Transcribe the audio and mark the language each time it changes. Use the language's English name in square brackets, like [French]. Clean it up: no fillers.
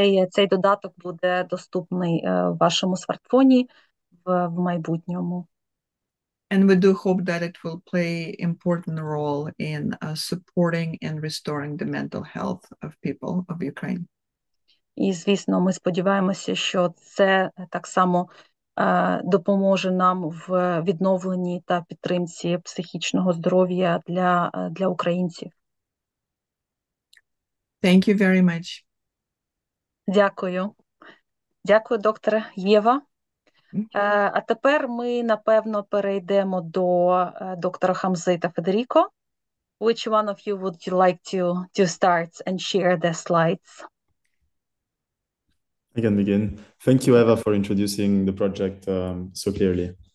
[Ukrainian] Цей додаток буде доступний в вашому смартфоні в майбутньому. [English] And we do hope that it will play an important role in supporting and restoring the mental health of people of Ukraine. [Ukrainian] І, звісно, ми сподіваємося, що це так само допоможе нам в відновленні та підтримці психічного здоров'я для українців. [English] Thank you very much. [Ukrainian] Дякую. Дякую, докторе Єва. А тепер ми, напевно, перейдемо до доктора Хамзи та Федеріко. [English] Which one of you would you like to start and share the slides? I can begin. Thank you, Eva, for introducing the project so clearly.